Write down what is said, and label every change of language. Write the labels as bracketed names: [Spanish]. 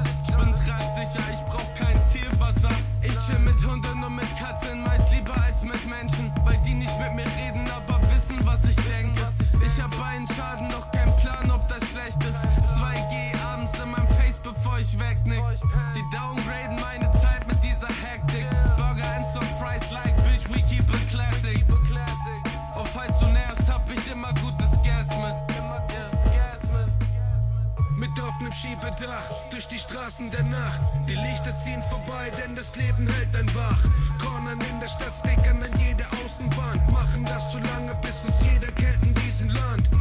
[German] Ich bin treibsicher, ich brauch kein Zielwasser. Ich chill mit Hunden und mit Katzen, meist lieber als mit Menschen. Weil die nicht mit mir reden, aber was ich denke. Ich hab einen Schaden, noch kein Plan, ob das schlecht ist. 2G abends in meinem Face, bevor ich wegnick. Die downgraden meine Zeit mit dieser Hektik. [English] Burger and some fries like, bitch, we keep it classic. [German] Und falls du nervst, hab ich immer gutes Gas mit. Mit offenem Schiebedach durch die Straßen der Nacht. Die Lichter ziehen vorbei, denn das Leben hält ein wach. Kornern in der Stadt, Stickern an jede Außenwand. Machen das so lange, bis uns jeder kennt in diesem Land.